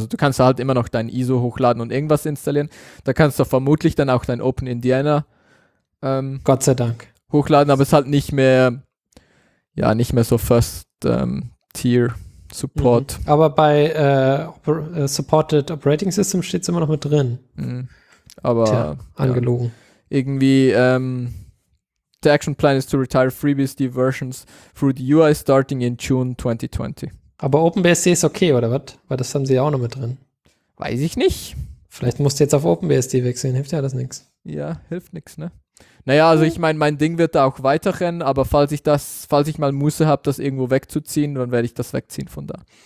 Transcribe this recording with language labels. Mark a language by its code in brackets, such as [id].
[de] Also du kannst halt immer noch dein ISO hochladen und irgendwas installieren. Da kannst du vermutlich dann auch dein Open Indiana Gott sei Dank hochladen, aber es ist halt nicht mehr ja, nicht mehr so First Tier Support. Mhm. Aber bei Supported Operating System steht es immer noch mit drin. Mhm. Aber tja, angelogen. Ja, irgendwie [en] the action plan is to retire FreeBSD versions through the UI starting in June 2020. [de] Aber OpenBSD ist okay, oder was? Weil das haben sie ja auch noch mit drin. Weiß ich nicht. Vielleicht musst du jetzt auf OpenBSD wechseln, hilft ja das nichts. Ja, hilft nichts, ne? Naja, also ich meine, mein Ding wird da auch weiter rennen, aber falls ich mal Muße habe, das irgendwo wegzuziehen, dann werde ich das wegziehen von da.